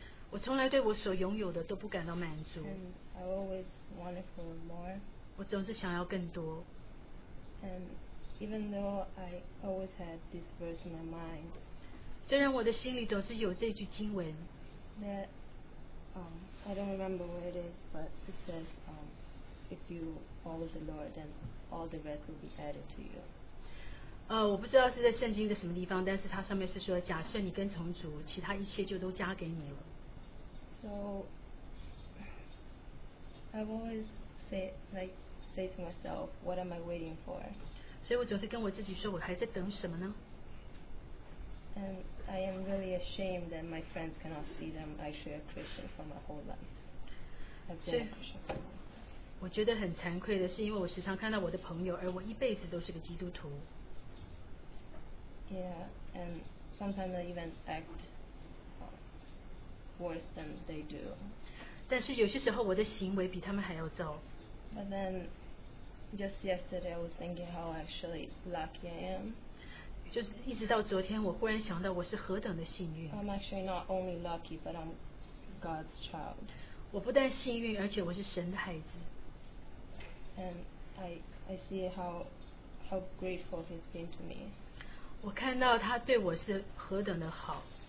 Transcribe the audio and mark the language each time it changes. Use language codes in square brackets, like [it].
[zh] 我从来对我所拥有的都不感到满足。 [en] I always wanted for more. [zh] 我总是想要更多。 [en] And even though I always had this verse in my mind, [zh] 虽然我的心里总是有这句经文。 [en] That, I don't remember where it is, but it says, if you follow the Lord, then all the rest will be added to you. [zh] 我不知道是在圣经的什么地方，但是它上面是说，假设你跟从主，其他一切就都加给你了。 [en] So, I've always say to myself, what am I waiting for? [zh] 所以我总是跟我自己说，我还在等什么呢？ [en] And I am really ashamed that my friends cannot see that I'm actually a Christian for my whole life. I've been a Christian. [zh] 我觉得很惭愧的是，因为我时常看到我的朋友，而我一辈子都是个基督徒。 [en] Yeah, and sometimes they even act worse than they do. [zh] 但是有些时候我的行为比他们还要糟。 [en] But then, just yesterday, I was thinking how actually lucky I am. [zh] 就是一直到昨天，我忽然想到我是何等的幸运。 [en] I'm actually not only lucky, but I'm God's child. [zh] 我不但幸运，而且我是神的孩子。 [en] And I see how grateful He's been to me. [zh] 我看到他对我是何等的好。